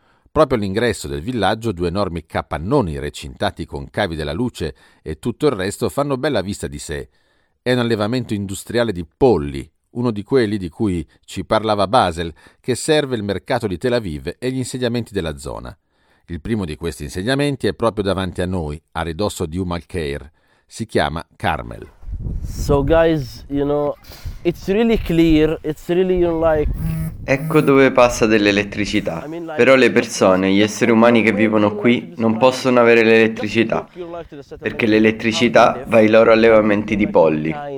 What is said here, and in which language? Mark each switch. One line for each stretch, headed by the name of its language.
Italian: Proprio all'ingresso del villaggio, due enormi capannoni recintati con cavi della luce e tutto il resto fanno bella vista di sé. È un allevamento industriale di polli, uno di quelli di cui ci parlava Basel, che serve il mercato di Tel Aviv e gli insediamenti della zona. Il primo di questi insediamenti è proprio davanti a noi, a ridosso di Umm al-Khayr. Si chiama Carmel.
English: So guys, you know, it's really clear, it's really like...
Italian: Ecco dove passa dell'elettricità. Però le persone, gli esseri umani che vivono qui, non possono avere l'elettricità, perché l'elettricità va ai loro allevamenti di polli.